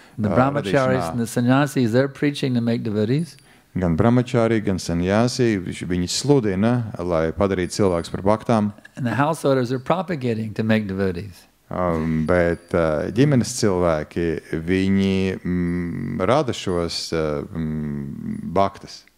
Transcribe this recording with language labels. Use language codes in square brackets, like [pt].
[en] The brahmacharis and the sannyasis, they're preaching to make devotees. [lv] Gan brahmacharī, gan sannyasī, viņi sludina, lai padarītu cilvēks par baktām. [en] And the householders are propagating to make devotees. [lv] Bet ģimenes cilvēki, viņi rada šos baktas.